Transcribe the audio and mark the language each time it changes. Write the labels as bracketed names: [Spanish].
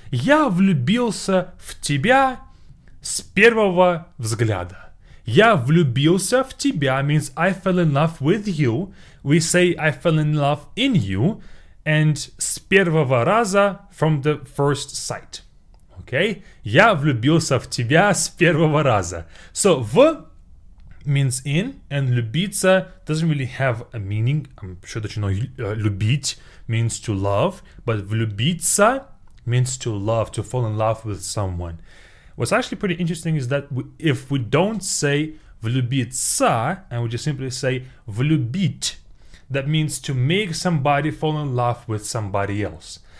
[Russian] Я влюбился в тебя с первого взгляда. Я влюбился в тебя [English] means I fell in love with you. We say I fell in love in you. And [Russian] с первого раза, [English] from the first sight. Okay? [Russian] Я влюбился в тебя с первого раза. [English] So V means in, and любиться doesn't really have a meaning. I'm sure that you know любить means to love, but влюбиться means to love, to fall in love with someone. What's actually pretty interesting is that if we don't say влюбиться and we just simply say влюбить, that means to make somebody fall in love with somebody else.